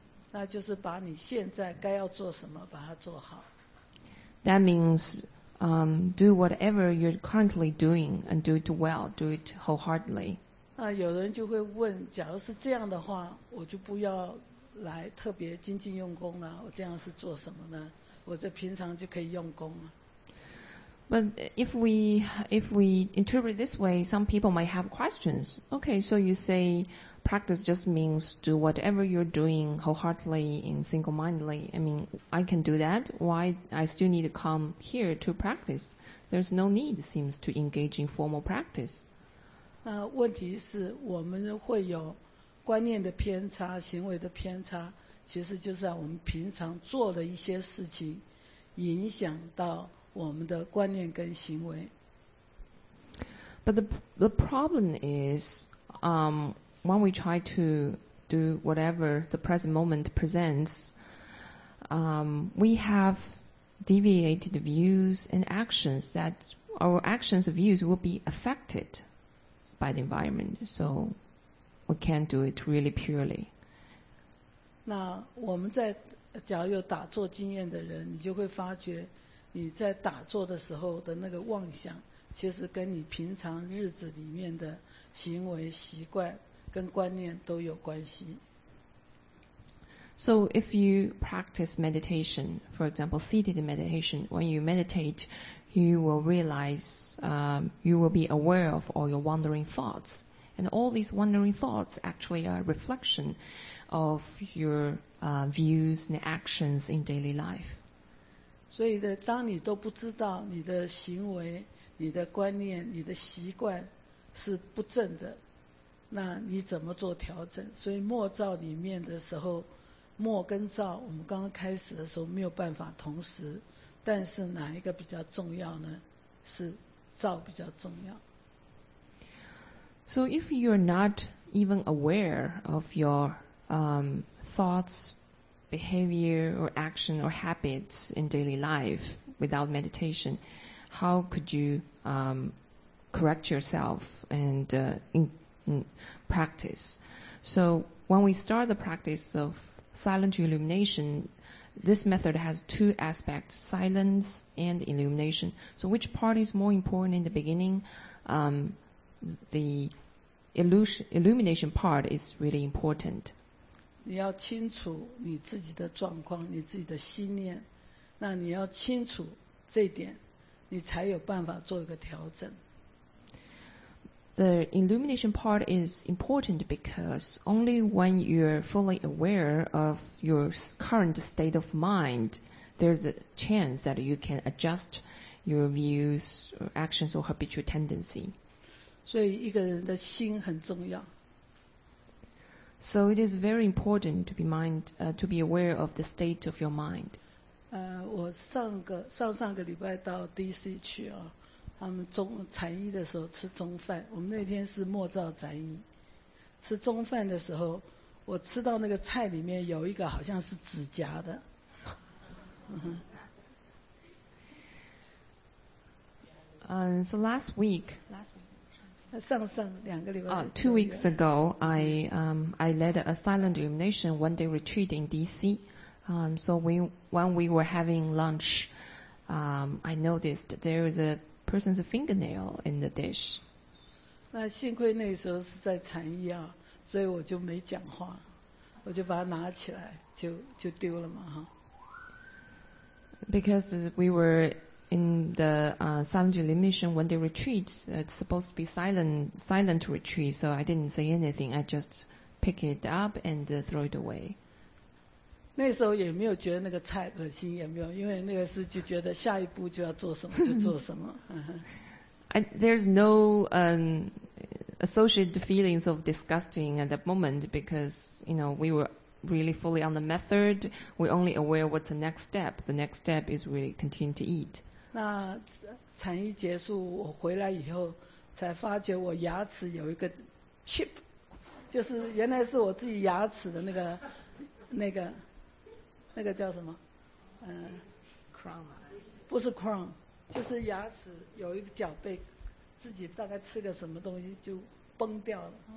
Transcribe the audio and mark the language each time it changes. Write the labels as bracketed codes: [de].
[zh] 那就是把你现在该要做什么把它做好。 [en] That means... do whatever you're currently doing and do it well, do it wholeheartedly. [zh] 那有人就会问，假如是这样的话，我就不要来特别精进用功了，我这样是做什么呢？我这平常就可以用功了。 [en] But if we interpret this way, some people might have questions. Okay, so you say practice just means do whatever you're doing wholeheartedly and single-mindedly. I mean, I can do that. Why I still need to come here to practice? There's no need, it seems, to engage in formal practice. [zh] 那问题是我们会有观念的偏差、行为的偏差，其实就是在我们平常做的一些事情影响到我们的观念跟行为。 [en] But the problem is, when we try to do whatever the present moment presents, we have deviated views and actions that our actions and views will be affected by the environment. So we can't do it really purely. [zh] 那我们在假如有打坐经验的人，你就会发觉你在打坐的时候的那个妄想，其实跟你平常日子里面的行为习惯跟观念都有关系。 [en] So if you practice meditation, for example, seated meditation, when you meditate, you will realize, you will be aware of all your wandering thoughts. And all these wandering thoughts actually are a reflection of your, views and actions in daily life. [zh] 所以呢，当你都不知道你的行为、你的观念、你的习惯是不正的，那你怎么做调整？所以默照里面的时候，默跟照，我们刚刚开始的时候没有办法同时，但是哪一个比较重要呢？是照比较重要。 [en] So if you're not even aware of your thoughts, behavior, or action or habits in daily life without meditation, how could you correct yourself and in practice. So when we start the practice of silent illumination, this method has two aspects, silence and illumination. So which part is more important in the beginning? The illumination part is really important. [zh] 你要清楚你自己的状况，你自己的心念，那你要清楚这一点，你才有办法做一个调整。 [en] The illumination part is important because only when you're fully aware of your current state of mind, there's a chance that you can adjust your views, or actions, or habitual tendency. [zh] 所以一个人的心很重要。 [en] So it is very important to be mind, to be aware of the state of your mind. [zh] 我上个礼拜到 DC 去啊。他们中禅衣的时候吃中饭，我们那天是末照禅衣，吃中饭的时候，我吃到那个菜里面有一个好像是指甲的。 [en] So last week, [zh] 上两个礼拜。 [en] Two weeks ago, I led a silent illumination one day retreat in DC. So when we were having lunch, I noticed there is a person's fingernail in the dish. [zh] 那幸亏那时候是在禅衣啊，所以我就没讲话，我就把它拿起来就丢了嘛哈。 [en] Because we were in the silent illumination one day retreat, it's supposed to be silent retreat, so I didn't say anything. I just pick it up and throw it away. [zh] 那时候也没有觉得那个菜恶心，也没有，因为那个是就觉得下一步就要做什么就做什么。 [en] There's no associated feelings of disgusting at that moment because you know we were really fully on the method. We're only aware what's the next step. The next step is really continue to eat. [zh] 那禅衣结束，我回来以后才发觉我牙齿有一个 chip， 就是原来是我自己牙齿的那个叫什么？ [en] crown [zh] 不是 crown， 就是牙齿有一个角被自己大概吃个什么东西就崩掉了。